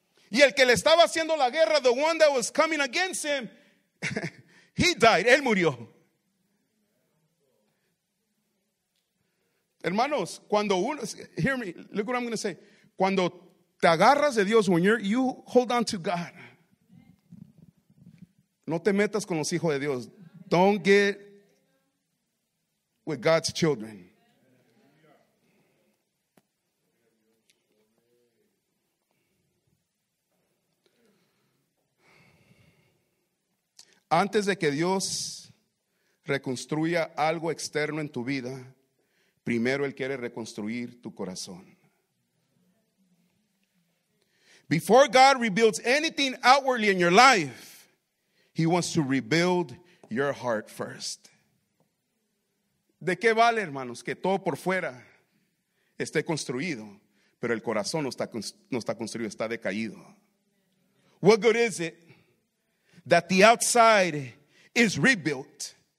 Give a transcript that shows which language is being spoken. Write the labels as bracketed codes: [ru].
[es] Y el que le estaba haciendo la guerra, [en] the one that was coming against him, he died. [es] Él murió. Hermanos, cuando uno, [en] hear me, look what I'm going to say. [es] Cuando te agarras de Dios, [en] when you hold on to God, [es] no te metas con los hijos de Dios. [en] Don't get with God's children. [es] Antes de que Dios reconstruya algo externo en tu vida, primero Él quiere reconstruir tu corazón. [en] Before God rebuilds anything outwardly in your life, He wants to rebuild your heart first. [es] ¿De qué vale, hermanos, que todo por fuera esté construido, pero el corazón no está construido, está decaído? [en] What good is it that the outside is rebuilt?